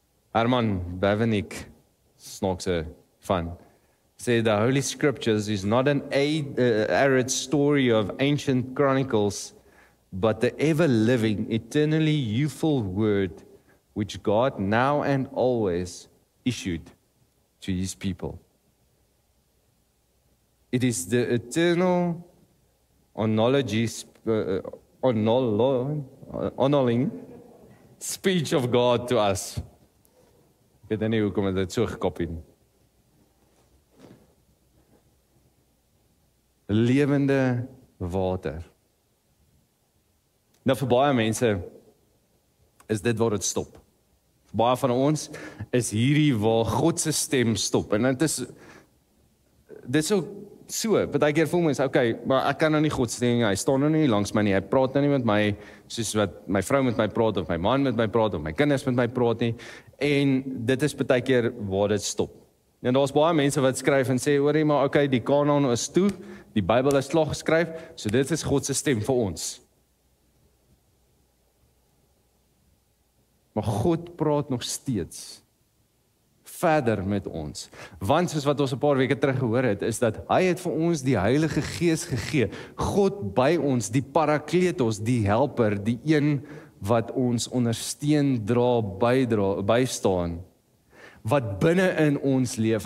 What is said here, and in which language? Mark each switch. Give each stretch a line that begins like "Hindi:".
English: Herman Bavinck,
Afrikaans: snaakse fan, sê,
English: the Holy Scriptures is not an arid story of ancient chronicles, but the ever-living, eternally youthful word which God now and always issued to his people. It is the eternal onoling speech of God to us.
Afrikaans: Ek weet nie hoekom het dit so gekopie. Lewende water. Nou, vir baie mense is dit waar het stop. Vir baie van ons is hierdie waar God se stem stop. En dit is, so, wat ek hier voel mense, okay, maar ek kan nou nie God se stem, hy staan nou nie langs my nie, hy praat nou nie met my, soos wat my vrou met my praat, of my man met my praat, of my kinders met my praat nie, en dit is baie keer waar dit stop. En daar is baie mense wat skryf en sê, hoor jy, maar okay, die kanon is toe, die Bybel is slag geskryf, so dit is God se stem vir ons. Maar God praat nog steeds verder met ons. Want soos wat ons 'n paar weke terug gehoor het, is dat hy het vir ons die Heilige Gees gegee. God by ons, die Parakletos, die helper, die een wat ons ondersteun, dra, bydra, bystaan, wat binne in ons leef.